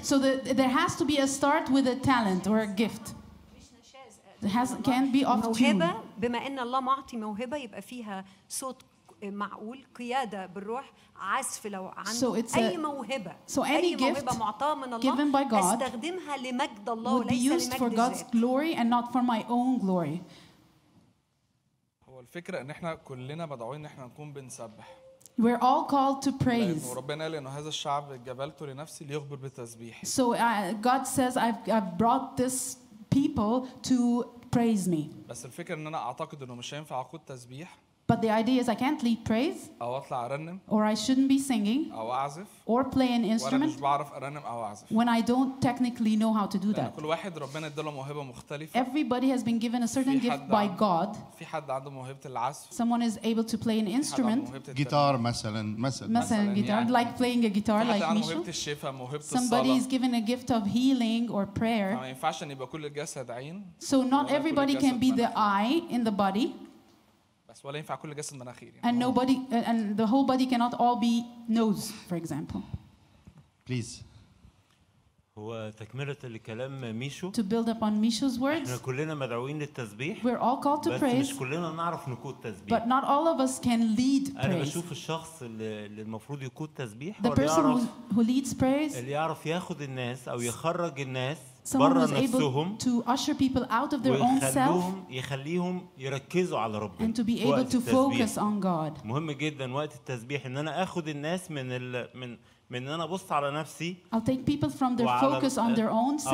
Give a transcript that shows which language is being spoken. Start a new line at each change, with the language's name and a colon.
English: So there has to be a start with a talent or a gift. Can't be off tune.
Arabic: موهبة بما إن الله معطي موهبة يبقى فيها صوت معقول قيادة بالروح عزف لو عنده أي موهبة.
English: So any gift given by God would be used for God's glory and not for my own glory.
Arabic: هو الفكرة إن إحنا كلنا مدعوين إن إحنا نكون بنسبح.
English: We're all called to praise.
Arabic: ربنا قال إنه هذا الشعب جبلته لنفسه ليخبر بالتسبيح.
English: So God says I've brought this people to praise me.
Arabic: بس الفكرة إن أنا أعتقد إنه مش هينفع أقود تسبيح.
English: But the idea is I can't lead praise.
Arabic: أو أطلع أرنم.
English: Or I shouldn't be singing.
Arabic: أو أعزف.
English: Or play an instrument.
Arabic: وأنا مش بعرف أرنم أو أعزف.
English: When I don't technically know how to do that.
Arabic: كل واحد ربنا اداله موهبة مختلفة.
English: Everybody has been given a certain gift by God.
Arabic: في حد عنده موهبة العزف.
English: Someone is able to play an instrument.
Arabic: جيتار مثلا
English: Guitar. Like playing a guitar like Misha.
Arabic: موهبة الشفاء موهبة الصلاة.
English: Somebody is given a gift of healing or prayer.
Arabic: ما ينفعش يبقى كل الجسد عين.
English: So not everybody can be the eye in the body.
Arabic: ولا ينفع كل جسم مناخير
English: يعني. And the whole body cannot all be nose, for example. Please.
Arabic: هو تكملة الكلام ميشو.
English: To build upon Misha's words.
Arabic: احنا كلنا مدعوين للتسبيح.
English: We're all called to praise.
Arabic: بس مش كلنا نعرف نقود تسبيح.
English: But not all of us can lead praise.
Arabic: انا بشوف الشخص اللي المفروض يقود تسبيح هو اللي يعرف.
English: The person who leads praise.
Arabic: اللي يعرف ياخد الناس او يخرج الناس.
English: Someone who's able to usher people out of their own self
Arabic: يخليهم يركزوا على ربنا.
English: And to be able to focus on God.
Arabic: مهم جدا وقت التسبيح ان انا اخد الناس من من ان انا ابص على نفسي.
English: I'll take people from their focus on their own selves.